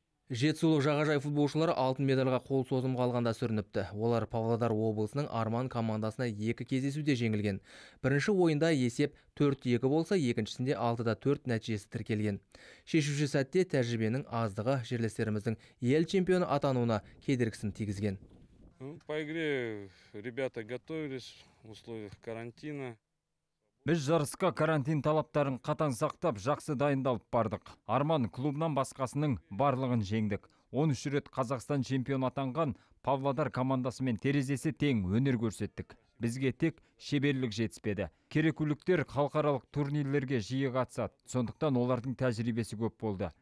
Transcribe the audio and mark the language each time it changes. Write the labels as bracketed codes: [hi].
[kk] Жетісулық жағажай футболшылар алтын медальға қол созым қалғанда сүрініпті. Олар Павлодар облысының Арман командасына 2 кездесуде жеңілген. Бірінші ойында есеп 4-2 болса, екіншісінде 6-4 нәтижесі тіркелген. Шешуші сәтте тәжірибенің аздығы жерлестеріміздің ел чемпионы атануына кедергісін тигізген. [ru] По игре ребята готовились в условиях карантина. [kk] Біз жарысқа карантин талаптарын қатаң сақтап, жақсы дайындалып бардық. Арман клубынан басқасының барлығын жеңдік. 13 рет Қазақстан чемпион атанған Павлодар командасымен терезесі тең өнер көрсеттік. Бізге тек шеберлік жетіспеді. Керекуліктер халықаралық турнирлерге жиі қатысады, сондықтан олардың тәжірибесі көп болды.